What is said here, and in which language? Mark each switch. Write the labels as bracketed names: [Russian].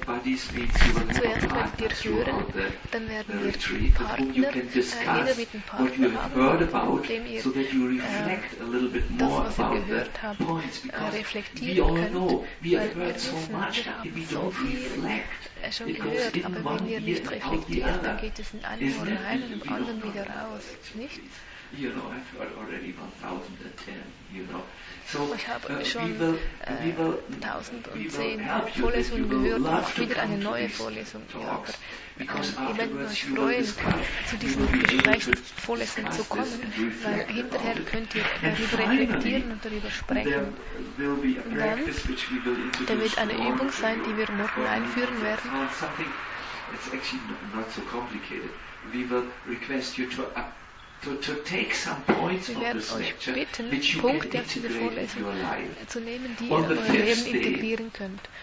[English] Buddies means you will have partners throughout the retreat with whom you can discuss what you have heard about, so that you reflect a little bit more about the points. Because we all know, we have heard so much, if we don't reflect, [German] schon gehört, aber wenn wir nicht reflektieren, dann geht es in einem Ohr rein und im anderen wieder raus, nicht? [English] You know, I've heard already 1,010, you know. [German] So, ich habe schon 1,010 Vorlesungen gehört, auch wieder eine neue Vorlesung. Ihr werdet euch freuen, zu diesen Gesprächsvorlesungen zu kommen, weil hinterher könnt ihr darüber reflektieren und darüber sprechen. Und dann, da wird eine Übung sein, die wir morgen einführen werden. [English] It's actually not so complicated. We will request you to to take some points [German] wir werden [English] of this [German] euch [English] lecture, [German] bitten, Punkte aus dieser Vorlesung zu nehmen, die ihr in euer Leben integrieren könnt.